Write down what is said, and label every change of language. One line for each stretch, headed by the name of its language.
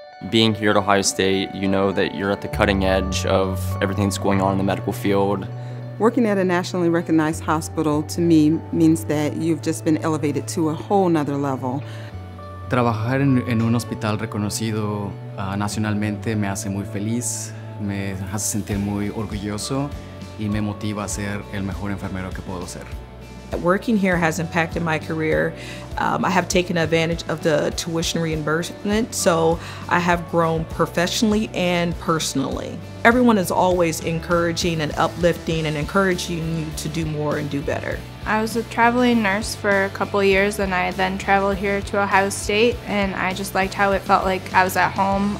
English: being here at Ohio State, you know that you're at the cutting edge of everything that's going on in the medical field. Working at a nationally recognized hospital, to me, means that you've just been elevated to a whole nother level.
Spanish: Trabajar en un hospital reconocido nacionalmente me hace muy feliz, me hace sentir muy orgulloso, y me motiva a ser el mejor enfermero que puedo ser.
English: Working here has impacted my career. I have taken advantage of the tuition reimbursement, so I have grown professionally and personally. Everyone is always encouraging and uplifting and encouraging you to do more and do better. I was a traveling nurse for a couple years, and I then traveled here to Ohio State, and I just liked how it felt like I was at home.